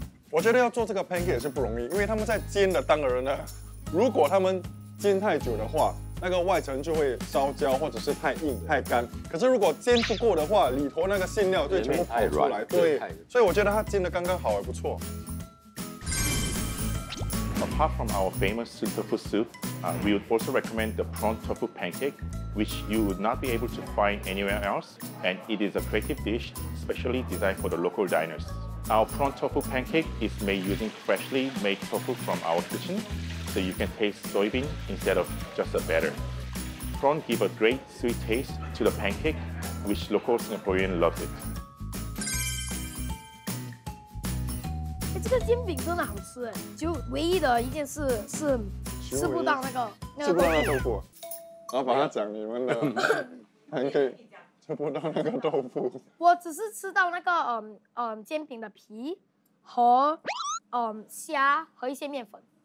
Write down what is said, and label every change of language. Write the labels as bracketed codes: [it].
[zh] 我觉得要做这个 pancake 也是不容易，因为他们在煎的当人呢，如果他们煎太久的话，那个外层就会烧焦或者是太硬太干，可是如果煎不够的话，里头那个馅料就全部跑出来。对，所以我觉得它煎的刚刚好，也不错。 [en] Apart from our famous Sun Tofu soup, we would also recommend the prawn tofu pancake, which you would not be able to find anywhere else, and it is a creative dish specially designed for the local diners. Our prawn tofu pancake is made using freshly made tofu from our kitchen, so you can taste soybean instead of just the batter. Prawn give a great sweet taste to the pancake, which local Singaporean loves it. [zh] 这个煎饼真的好吃，就唯一的一件事是吃不到那个吃不到那个豆腐。老板要讲你们的，还可以吃不到那个豆腐。我只是吃到那个煎饼的皮和虾和一些面粉。